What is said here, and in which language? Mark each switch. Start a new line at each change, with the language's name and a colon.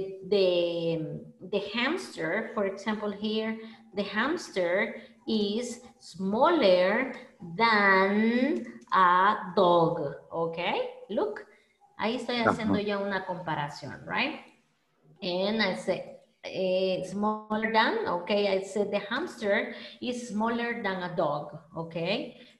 English: The hamster, for example, here, the hamster is smaller than a dog, okay?
Spanish: Look, ahí estoy haciendo ya una comparación, right?
English: And I say, smaller than, okay? I said the hamster is smaller than a dog, okay?